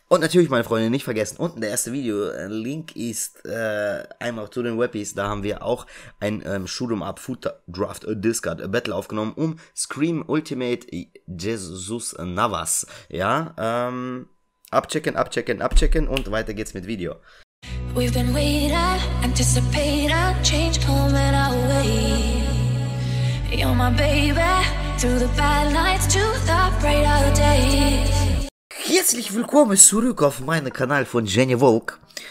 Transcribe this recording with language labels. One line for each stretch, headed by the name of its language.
German: Und natürlich, meine Freunde, nicht vergessen, unten der erste Video-Link ist einmal zu den Weppies. Da haben wir auch ein Shoot'em-up, Foot Draft, Discard, Battle aufgenommen um Scream Ultimate Jesus Navas. Ja, abchecken, abchecken, abchecken und weiter geht's mit Video.
English: We've been waiting, anticipating, change coming our way. You're my baby, through the bad nights to the bright of day.
German: Herzlich willkommen zurück auf meinem Kanal von Jenny Volk.